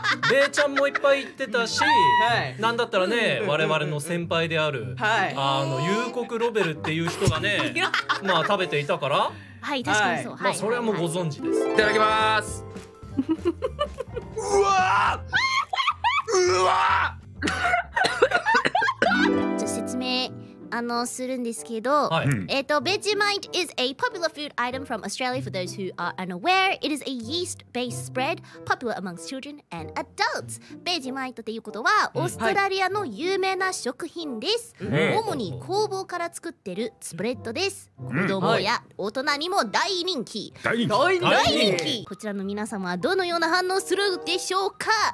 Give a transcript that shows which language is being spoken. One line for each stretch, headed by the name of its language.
Japanese: ベイちゃんもいっぱい言ってたし、なんだったらね、我々の先輩である、幽谷ロベルっていう人がね、まあ食べていたから、はい、確かにそう、まあそれはもうご存知です、はい、いただきます。うわうわじゃあ説明するんですけど、はい、
English: Vegemite is a popular food item from Australia for those who are unaware. It is a yeast-based spread popular amongst children and adults.
Japanese: Vegemite っていうことは、オーストラリアの有名な食品です。はい、主に酵母から作ってるスプレッドです。子供や大人にも大人気。大人気。こちらの皆様はどのような反応するでしょうか？